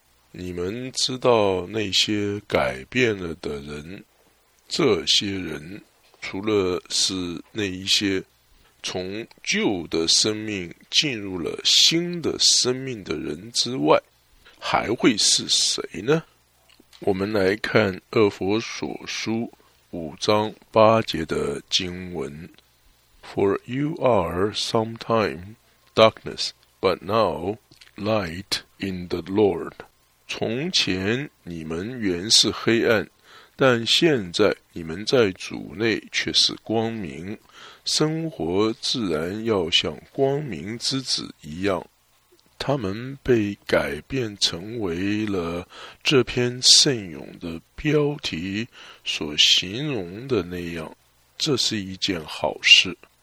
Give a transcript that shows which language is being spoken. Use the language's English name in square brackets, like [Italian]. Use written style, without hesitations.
[Chinese] 你们知道那些改变了的人，这些人除了是那一些从旧的生命进入了新的生命的人之外，还会是谁呢？我们来看厄弗所书5:8的经文 [English] For you are sometime darkness, but now light in the Lord. [Chinese] 从前你们原是黑暗，但现在你们在主内却是光明，生活自然要像光明之子一样。他们被改变成为了这篇圣咏的标题所形容的那样，这是一件好事。